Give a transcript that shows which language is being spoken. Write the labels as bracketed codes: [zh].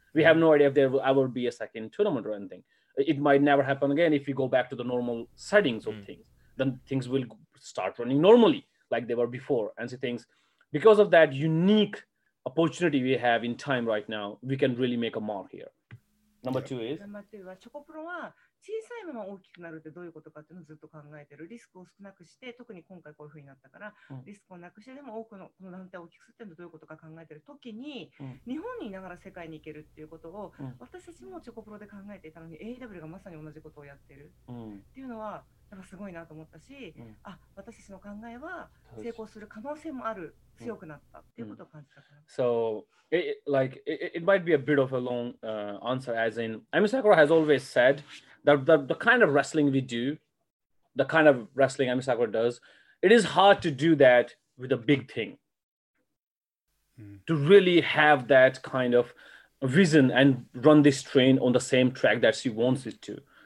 [en] We have no idea if there will ever be a second tournament or anything. It might never happen again if we go back to the normal settings of things. Then things will start running normally like they were before. And so things, because of that unique opportunity we have in time right now, we can really make a mark here. Number two is? Number two is, [ja] 小さいまま大きくなるってどういうことかっていうのをずっと考えてる。リスクを少なくして、特に今回こういうふうになったから、リスクをなくしてでも多くの、この団体を大きくするっていうのをどういうことか考えてる時に、日本にいながら世界に行けるっていうことを、私たちもチョコプロで考えていたのに、AEW がまさに同じことをやってるっていうのは、やっぱすごいなと思ったし、あ、私たちの考えは成功する可能性もある、強くなったっていうことを感じたから。 [en] So, it might be a bit of a long answer, as in, Ami Sakura has always said,The kind of wrestling we do, the kind of wrestling Ami Sakura does, it is hard to do that with a big thing. To really have that kind of vision and run this train on the same track that she wants it to.